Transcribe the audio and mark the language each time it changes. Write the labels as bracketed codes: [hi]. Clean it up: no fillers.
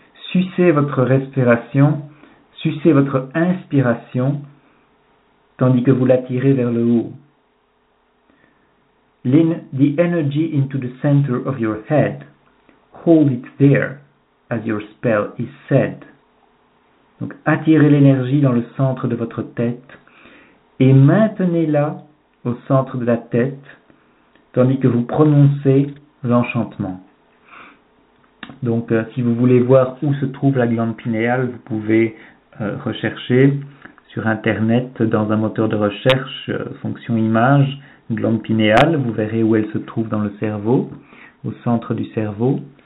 [fr] Sucez votre respiration, sucez votre inspiration, tandis que vous l'attirez vers le haut. [en] Lean the energy into the center of your head. Hold it there. As your spell is said. [fr] Donc, attirez l'énergie dans le centre de votre tête et maintenez-la au centre de la tête tandis que vous prononcez l'enchantement. Donc, si vous voulez voir où se trouve la glande pinéale, vous pouvez rechercher sur Internet dans un moteur de recherche, fonction image, glande pinéale, vous verrez où elle se trouve dans le cerveau, au centre du cerveau.